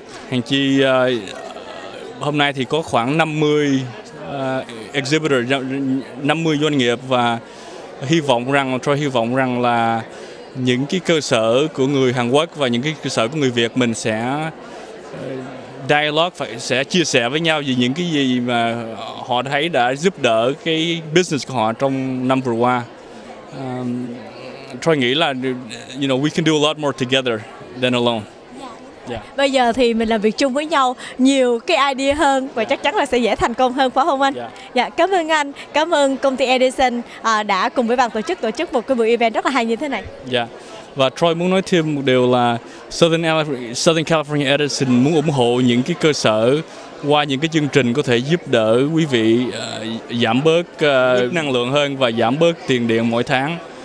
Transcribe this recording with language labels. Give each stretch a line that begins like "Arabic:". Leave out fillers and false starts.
Vietnamese: Hàng chi hôm nay thì có khoảng 50 exhibitor, 50 doanh nghiệp, và hy vọng rằng là những cái cơ sở của người Hàn Quốc và những cái cơ sở của người Việt mình sẽ dialogue, sẽ chia sẻ với nhau về những cái gì mà họ thấy đã giúp đỡ cái business của họ trong năm vừa qua. Tôi nghĩ là,
English: you know, we can do a lot more together than alone. Yeah.
Vietnamese: Bây giờ thì mình làm việc chung với nhau nhiều cái idea hơn và chắc chắn là sẽ dễ thành công hơn, phải không anh? Dạ, cảm ơn anh, cảm ơn công ty Edison đã cùng với ban tổ chức một cái buổi event rất là hay như thế này. Dạ, và Troy muốn nói thêm một điều là Southern California Edison muốn ủng hộ những cái cơ sở qua những cái chương trình có thể giúp đỡ quý vị giảm bớt năng lượng hơn và giảm bớt tiền điện mỗi tháng.